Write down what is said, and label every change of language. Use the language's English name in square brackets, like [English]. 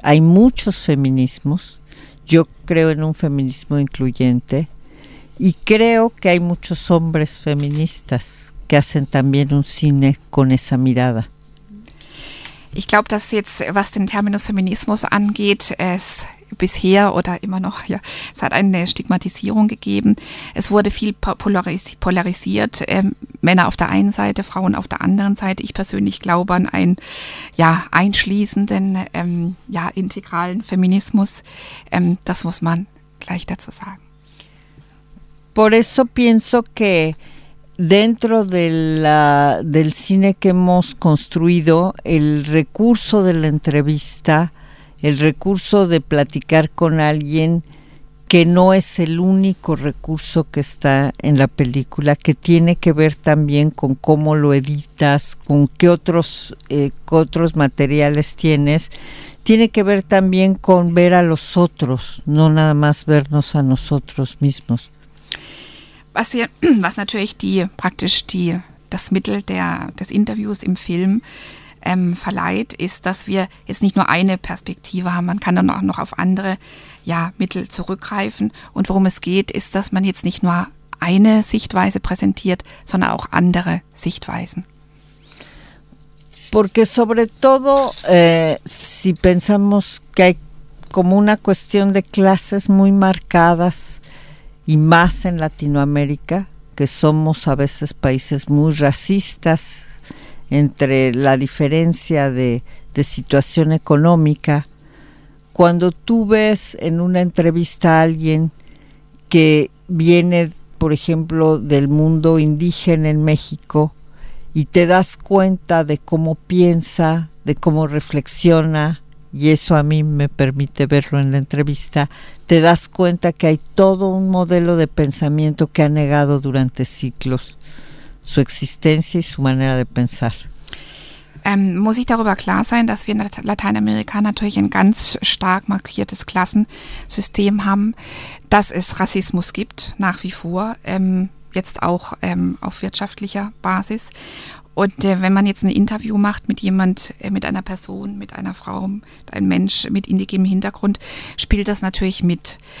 [Spanish] Hay muchos feminismos. Yo creo en un feminismo incluyente y creo que hay muchos hombres feministas que hacen también un cine con esa mirada. [German] Ich glaube, dass jetzt, was den Terminus Feminismus angeht, es bisher oder immer noch, ja, es hat eine Stigmatisierung gegeben. Es wurde viel polarisiert. Männer auf der einen Seite, Frauen auf der anderen Seite. Ich persönlich glaube an einen einschließenden, integralen Feminismus. Das muss man gleich dazu sagen. [Spanish] Por eso pienso que dentro del cine que hemos construido, el recurso de la entrevista, el recurso de platicar con alguien que no es el único recurso que está en la película, que tiene que ver también con cómo lo editas, con qué otros materiales tienes, tiene que ver también con ver a los otros, no nada más vernos a nosotros mismos. [German] Was natürlich das Mittel des Interviews im Film verleiht, ist, dass wir jetzt nicht nur eine Perspektive haben. Man kann dann auch noch auf andere Mittel zurückgreifen. Und worum es geht, ist, dass man jetzt nicht nur eine Sichtweise präsentiert, sondern auch andere Sichtweisen. [Spanish] Porque sobre todo, si pensamos que hay como una cuestión de clases muy marcadas, y más en Latinoamérica, que somos a veces países muy racistas entre la diferencia de situación económica. Cuando tú ves en una entrevista a alguien que viene, por ejemplo, del mundo indígena en México y te das cuenta de cómo piensa, de cómo reflexiona, y eso a mí me permite verlo en la entrevista, te das cuenta que hay todo un modelo de pensamiento que ha negado durante siglos su existencia y su manera de pensar. [German] Muss ich darüber klar sein, dass wir in Lateinamerika natürlich ein ganz stark markiertes Klassensystem haben, dass es Rassismus gibt nach wie vor, jetzt auch auf wirtschaftlicher Basis. Und wenn man jetzt ein Interview macht mit jemand, mit einer Person, mit einer Frau, mit einem Mensch mit indigenem Hintergrund, spielt das natürlich mit.